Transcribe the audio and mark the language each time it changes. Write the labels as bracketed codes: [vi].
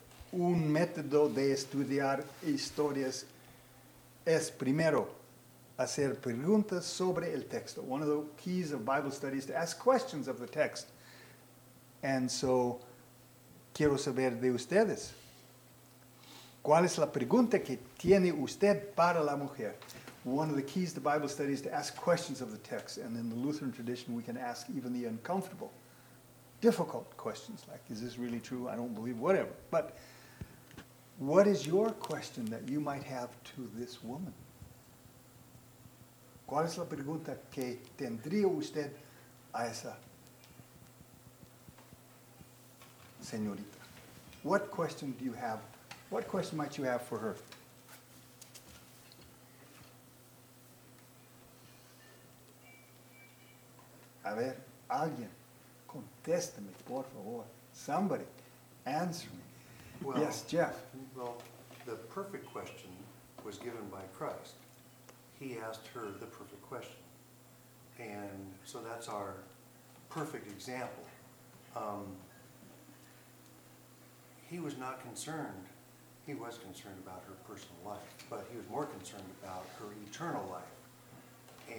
[es] Un método de estudiar historias es primero hacer preguntas sobre el texto. [en] One of the keys of Bible study is to ask questions of the text. And so, [es] quiero saber de ustedes. ¿Cuál es la pregunta que tiene usted para la mujer? [en] One of the keys to Bible study is to ask questions of the text. And in the Lutheran tradition, we can ask even the uncomfortable, difficult questions like, is this really true? I don't believe, whatever. But... What is your question that you might have to this woman? [es] ¿Cuál es la pregunta que tendría usted a esa señorita? [en] What question do you have? What question might you have for her? [es] A ver, alguien, contéstame, por favor. [en] Somebody, answer me. Well, yes, Jeff. Well, the perfect question was given by Christ. He asked her the perfect question. And so that's our perfect example. He was not concerned. He was concerned about her personal life, but he was more concerned about her eternal life.